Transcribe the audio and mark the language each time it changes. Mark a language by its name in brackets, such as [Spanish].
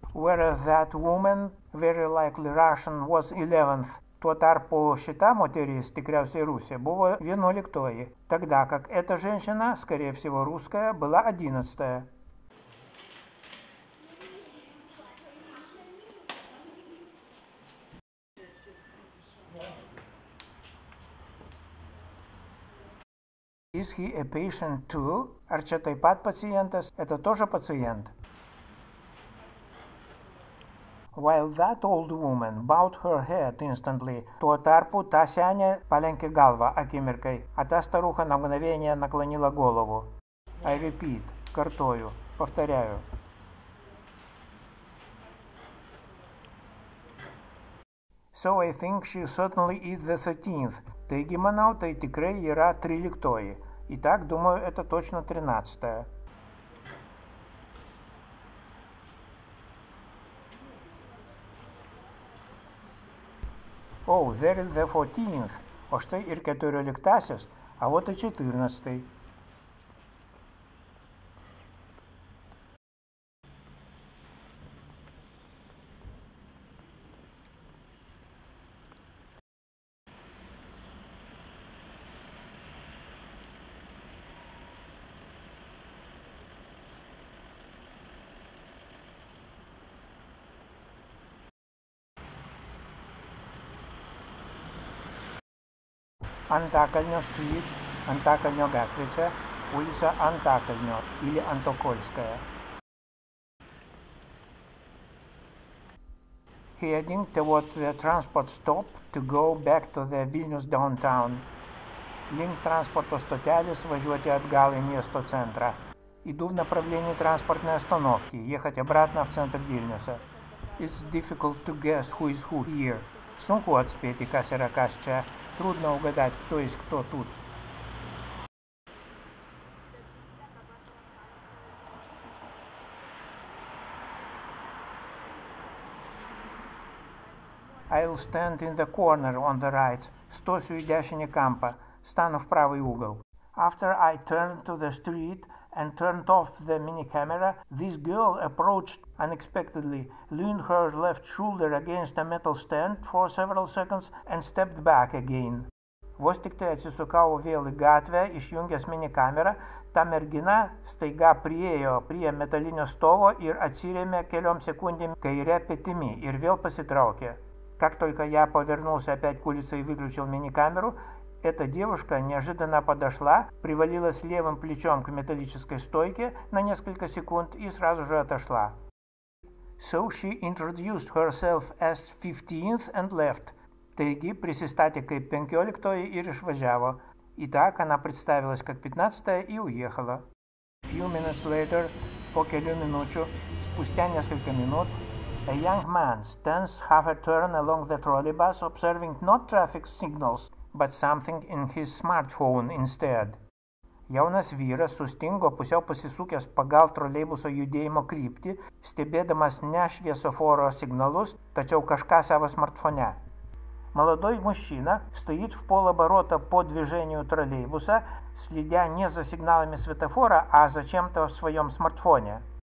[English] Whereas that woman, very likely Russian, was 11th. [Lithuanian] Tuo tarpu šita moteris, tikriausiai Rusija, buvo 11-oji. [Russian] Тогда, как эта женщина, скорее всего, русская, была 11-ая. [English] Is he a patient too? [Lithuanian] Ar čia taip pat pacientas? [Russian] Это тоже пациент. [English] While that old woman bowed her head instantly, [Lithuanian] tuo tarpu ta senė palenkė galvą akimirkai, [Russian] а та старуха на мгновение наклонила голову. [English] I repeat, [Lithuanian] kartoju, [Russian] повторяю. [English] So I think she certainly is the 13th. [Lithuanian] Taigi manau, tai tikrai yra 13-oji. [Russian] Итак, думаю, это точно 13-е. [English] Oh, there is the 14th. [Russian] О, что и 14-тасис, а вот и 14-й. [Lithuanian] Antakalnio street, Antakalnio gatvė čia, [Russian] ulica [Lithuanian] Antakalnio [Russian] или [Lithuanian] Antokolskaya. [English] Heading toward the transport stop to go back to the Vilnius downtown. [Lithuanian] Link transporto stotelės važiuoti atgal į miesto centrą. [Russian] Иду в направлении транспортной остановки, ехать обратно в центр Вильнюса. [English] It's difficult to guess who is who here. [Lithuanian] Sunku atspėti, kas yra kas čia. [Russian] Трудно угадать, кто есть кто тут. [English] I I'll stand in the corner on the right. [Lithuanian] Stosiu į dešinį kampą. Stanu [Russian] в правый угол. [English] After I turned to the street and turned off the mini camera, this girl approached unexpectedly, leaned her left shoulder against a metal stand for several seconds and stepped back again. [Lithuanian] Vos tik tai atsisukau vėl į gatvę, išjungęs mini kamerą, ta mergina staiga priėjo prie metalinio stovo ir atsirėmė keliom sekundėm kairę petimi ir vėl pasitraukė. [Russian] Как только я повернулся опять к улице и выключил мини-камеру, эта девушка неожиданно подошла, привалилась левым плечом к металлической стойке на несколько секунд и сразу же отошла. [English] So she introduced herself as 15th and left. [Lithuanian] Taigi prisistatė kaip 15-oji ir išvažiavo. [Russian] И так она представилась как 15-ая и уехала. [English] Few minutes later, [Russian] по кілька минучу, спустя несколько минут, [English] a young man stands half a turn along the trolleybus, observing not traffic signals, but something in his smartphone instead. [Lithuanian] Jaunas vyras sustingo pusiau pasisukęs pagal troleibuso judėjimo kryptį, stebėdamas ne šviesoforo signalus, tačiau kažką savo smartfone. [Russian] Молодой мужчина стоит в полоборота по движению троллейбуса, следя не за сигналами светофора, а за чем-то в своем смартфоне.